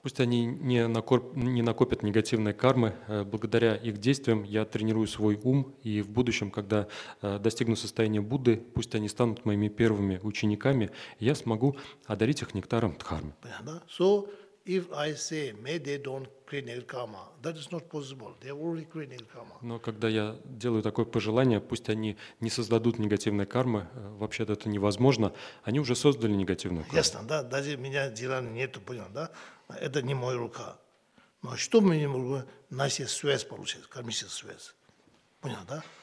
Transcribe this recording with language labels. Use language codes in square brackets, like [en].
[ru] Пусть они не накопят негативной кармы. Благодаря их действиям я тренирую свой ум, и в будущем, когда достигну состояния Будды, пусть они станут моими первыми учениками, я смогу одарить их нектаром дхармы. [en] So, if I say, may they don't create negative karma, that is not possible. They already create negative karma. [ru] Но когда я делаю такое пожелание, пусть они не создадут негативной кармы, вообще-то это невозможно, они уже создали негативную карму. Ясно, да? Даже у меня дела нету, понял, да? Это не моя рука. Но что мы не можем? Наша связь получается, кармическая связь. Понял, да?